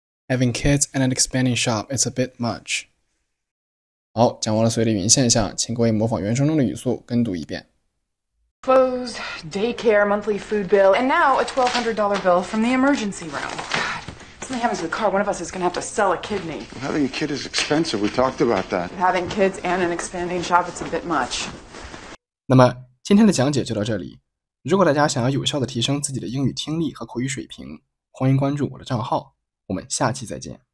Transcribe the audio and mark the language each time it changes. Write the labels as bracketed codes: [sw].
[en] Having kids and an expanding shop, it's a bit much. [zh] 好，讲完了随地云现象，请各位模仿原声中的语速跟读一遍。 [en] Clothes, daycare, monthly food bill, and now a $1,200 bill from the emergency room. God, if something happens to the car, one of us is going to have to sell a kidney. Well, having a kid is expensive. We talked about that. Having kids and an expanding shop, it's a bit much. [zh] 那么今天的讲解就到这里。如果大家想要有效地提升自己的英语听力和口语水平，欢迎关注我的账号。我们下期再见。